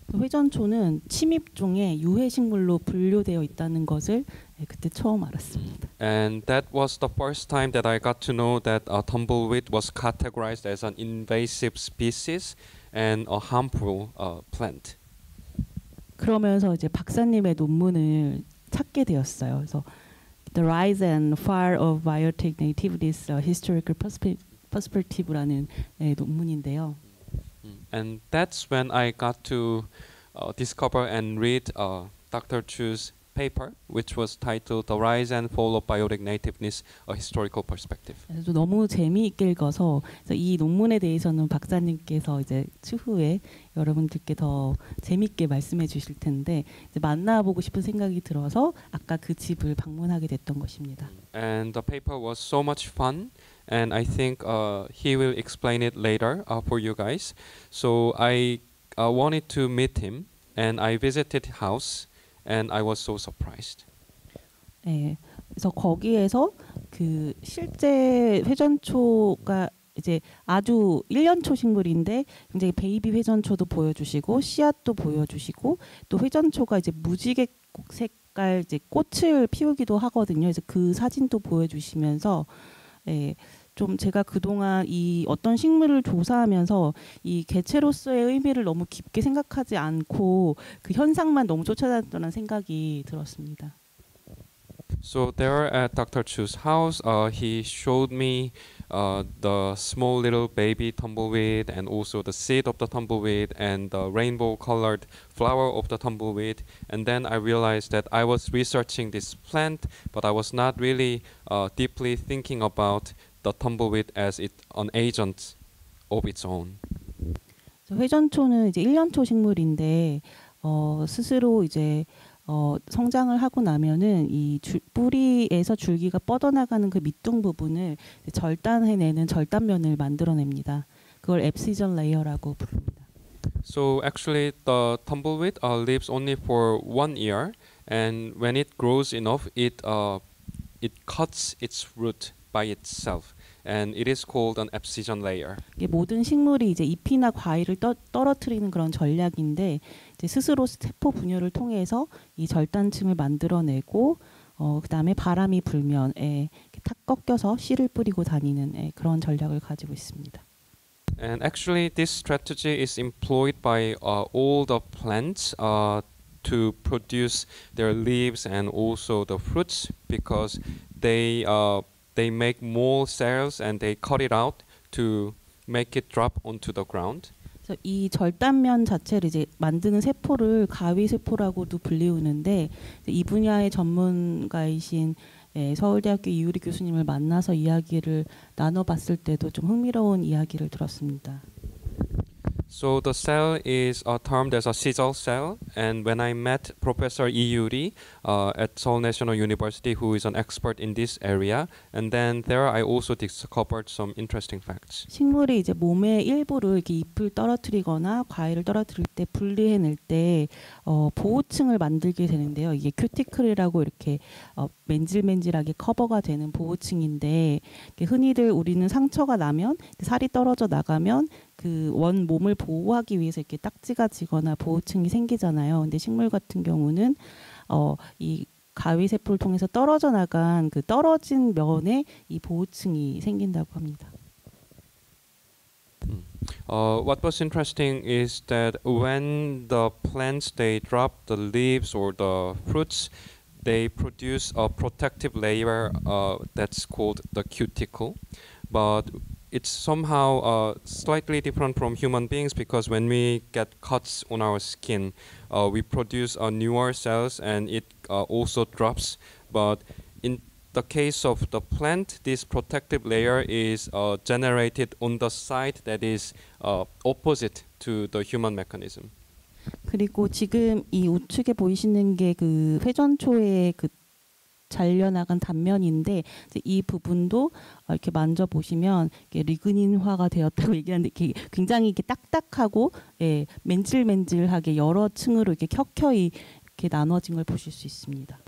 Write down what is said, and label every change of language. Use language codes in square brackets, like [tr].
[ko] 회전초는 침입종의 유해식물로 분류되어 있다는 것을 그때 처음 알았습니다. [en] And that was the first time that I got to know that tumbleweed was categorized as an invasive species and a harmful plant. [ko] 그러면서 이제 박사님의 논문을 찾게 되었어요. 그래서 The Rise and Fall of Biotic Nativities, Historical Perspective라는 논문인데요. [en] And that's when I got to discover and read Dr. Chu's paper, which was titled The Rise and Fall of Biotic Nativeness, A Historical Perspective. [ko] 그래서 너무 재미있게 읽어서 이 논문에 대해서는 박사님께서 이제 추후에 여러분들께 더 재미있게 말씀해 주실 텐데 이제 만나보고 싶은 생각이 들어서 아까 그 집을 방문하게 됐던 것입니다. [en] And the paper was so much fun. And I think he will explain it later for you guys. So I wanted to meet him, and I visited his house, and I was so surprised. [ko] 네, 그래서 거기에서 그 실제 회전초가 이제 아주 1년초 식물인데 굉장히 베이비 회전초도 보여주시고 씨앗도 보여주시고 또 회전초가 이제 무지개색깔 이제 꽃을 피우기도 하거든요. 이제 그 사진도 보여주시면서 네. 좀 제가 그동안 이 어떤 식물을 조사하면서 이 개체로서의 의미를 너무 깊게 생각하지 않고 그 현상만 너무 쫓아다녔다는 생각이 들었습니다. [en] So there at Dr. Chu's house, he showed me the small little baby tumbleweed and also the seed of the tumbleweed and the rainbow colored flower of the tumbleweed. And then I realized that I was researching this plant, but I was not really deeply thinking about the tumbleweed as it an agent of its own. [ko] 회전초는 이제 1년초 식물인데 스스로 이제 성장을 하고 나면은 이 뿌리에서 줄기가 뻗어나가는 그 밑둥 부분을 절단해내는 절단면을 만들어냅니다. 그걸 abscission layer라고 부릅니다. [en] So actually the tumbleweed lives only for 1 year and when it grows enough it cuts its root by itself. And it is called an abscission layer. [ko] 이게 모든 식물이 이제 잎이나 과일을 떨어뜨리는 그런 전략인데 이제 스스로 세포 분열을 통해서 이 절단층을 만들어내고 그다음에 바람이 불면 탁 꺾여서 씨를 뿌리고 다니는 그런 전략을 가지고 있습니다. [en] And actually this strategy is employed by all the plants to produce their leaves and also the fruits because they make more cells and they cut it out to make it drop onto the ground. [ko] 그래서 이 절단면 자체를 이제 만드는 세포를 가위 세포라고도 불리우는데 이 분야의 전문가이신 서울대학교 이유리 교수님을 만나서 이야기를 나눠봤을 때도 좀 흥미로운 이야기를 들었습니다. [en] So the cell is termed as a sizzle cell, and when I met Professor Iuri at Seoul National University, who is an expert in this area, and then there I also discovered some interesting facts. [ko] 식물이 이제 몸의 일부를 이렇게 잎을 떨어뜨리거나 과일을 떨어뜨릴 때 분리해낼 때 보호층을 만들게 되는데요. 이게 큐티클이라고 이렇게 맨질맨질하게 커버가 되는 보호층인데 흔히들 우리는 상처가 나면 살이 떨어져 나가면 그 원 몸을 보호하기 위해서 이렇게 딱지가 지거나 보호층이 생기잖아요. 근데 식물 같은 경우는 이 가위 세포를 통해서 떨어져 나간 그 떨어진 면에 이 보호층이 생긴다고 합니다. [en] What was interesting is that when the plants they drop the leaves or the fruits, they produce a protective layer that's called the cuticle, but it's somehow slightly different from human beings because when we get cuts on our skin, we produce newer cells and it also drops. But in the case of the plant, this protective layer is generated on the side that is opposite to the human mechanism. [ko] 그리고 지금 이 우측에 보이시는 게 그 회전초의 그 잘려나간 단면인데 이제 이 부분도 이렇게 만져보시면 이렇게 리그닌화가 되었다고 얘기하는데 굉장히 이렇게 딱딱하고 맨질맨질하게 여러 층으로 이렇게 켜켜이 이렇게 나눠진 걸 보실 수 있습니다.